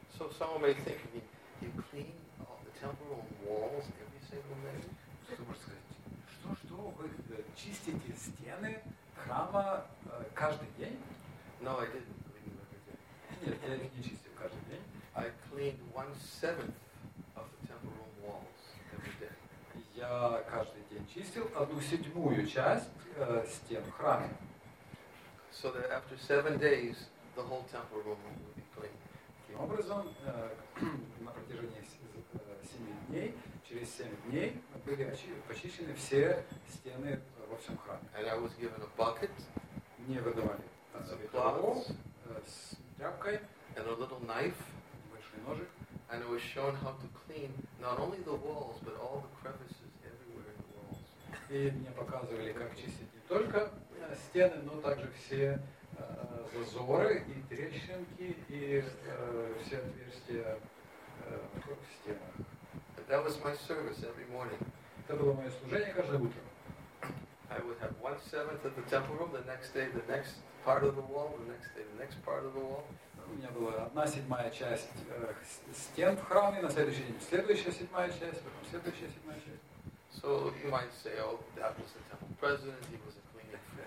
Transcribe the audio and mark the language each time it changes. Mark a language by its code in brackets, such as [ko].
[en] So someone may think, you clean all the temple walls every single day? [ru] Что можно сказать? Что вы чистите стены храма каждый день? [en] No, I didn't clean them every day. [ru] Нет, я их не чистил каждый день. [en] I cleaned 1/7 of the temple room walls every day. [ru] Я каждый день чистил 1/7 часть стен в храме. [en] So that after 7 days, the whole temple room would be clean. [ru] Таким образом, на протяжении 7 дней, через 7 дней, были почищены все стены во всем храме. [en] And I was given a bucket. [ru] Мне выдавали [en] cloth [ru] с тряпкой. [en] And a little knife. [ru] Небольшой ножик. [en] And it was shown how to clean not only the walls, but all the crevices everywhere in the walls. [ru] И мне показывали, как чистить не только стены, но также все зазоры и трещинки, и все отверстия в стенах. [en] And that was my service every morning. [ru] Это было мое служение каждое утро. [en] I would have 1/7 of the temple room, the next day the next part of the wall, the next day the next part of the wall. [ru] У меня была 1/7 часть стен в храме, на следующий день следующая 7 часть, потом следующая 7 часть. [en] So you might say, oh, that was the temple president, he was a cleaner.